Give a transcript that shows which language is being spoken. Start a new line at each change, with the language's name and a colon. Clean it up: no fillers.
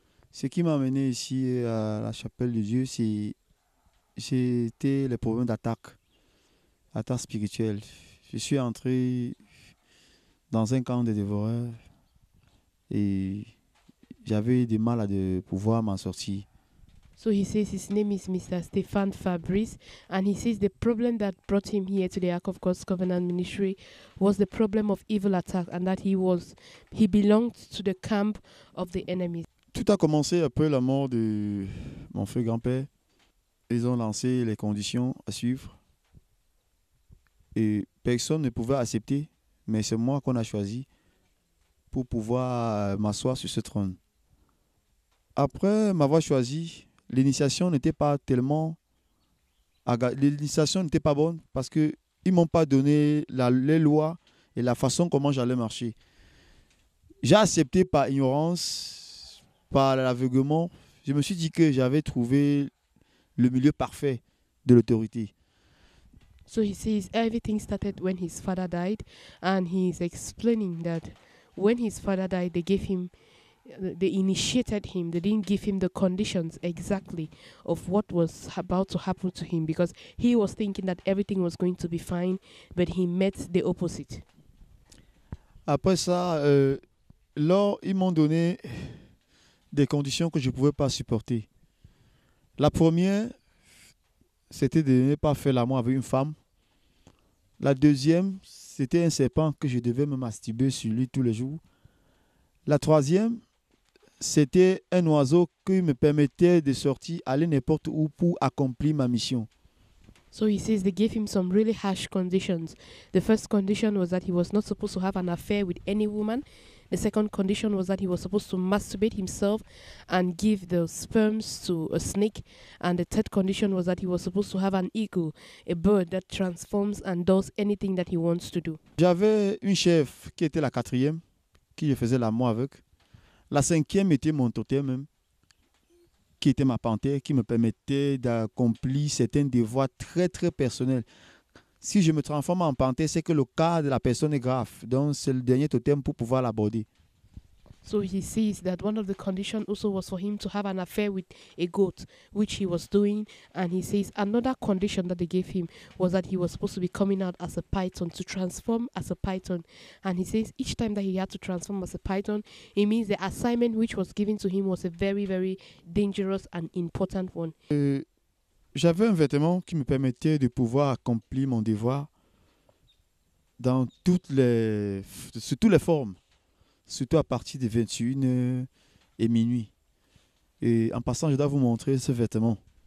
French: Ce qui m'a amené ici à la chapelle de Dieu, c'était les problèmes d'attaque, attaque spirituelle. Je suis entré dans un camp de dévoreurs et j'avais du mal à pouvoir m'en sortir.
English: So he says his name is Mr. Stéphane Fabrice, and he says the problem that brought him here to the Ark of God's Covenant Ministry was the problem of evil attack, and that he belonged to the camp of the enemy.
French: Tout a commencé après la mort de mon frère grand-père. Ils ont lancé les conditions à suivre et personne ne pouvait accepter, mais c'est moi qu'on a choisi pour pouvoir m'asseoir sur ce trône. Après m'avoir choisi, l'initiation n'était pas bonne parce que ils m'ont pas donné les lois et la façon comment j'allais marcher. J'ai accepté par ignorance, par l'aveuglement. Je me suis dit que j'avais trouvé le milieu parfait de l'autorité.
English: So he says everything started when his father died, and he is explaining that when his father died, they initiated him. They didn't give him the conditions exactly of what was about to happen to him, because he was thinking that everything was going to be fine, but he met the opposite.
French: Après ça, lors ils m'ont donné des conditions que je pouvais pas supporter. La première, c'était de ne pas faire l'amour avec une femme. La deuxième, c'était un serpent que je devais me masturber sur lui tous les jours. La troisième, c'était un oiseau qui me permettait de sortir, aller n'importe où pour accomplir ma mission.
English: So he says they gave him some really harsh conditions. The first condition was that he was not supposed to have an affair with any woman. The second condition was that he was supposed to masturbate himself and give the sperms to a snake. And the third condition was that he was supposed to have an eagle, a bird that transforms and does anything that he wants to do.
French: J'avais une chef qui était la quatrième, qui je faisais l'amour avec. La cinquième était mon totem, qui était ma panthère, qui me permettait d'accomplir certains devoirs très très personnels. Si je me transforme en panthère, c'est que le cas de la personne est grave. Donc, c'est le dernier totem pour pouvoir l'aborder.
English: So he says that one of the conditions also was for him to have an affair with a goat, which he was doing. And he says another condition that they gave him was that he was supposed to be coming out as a python, to transform as a python. And he says each time that he had to transform as a python, it means the assignment which was given to him was a very, very dangerous and important one.
French: J'avais un vêtement qui me permettait de pouvoir accomplir mon devoir dans sous toutes les formes. Surtout à partir de 21h et minuit. Et en passant, je dois vous montrer ce vêtement.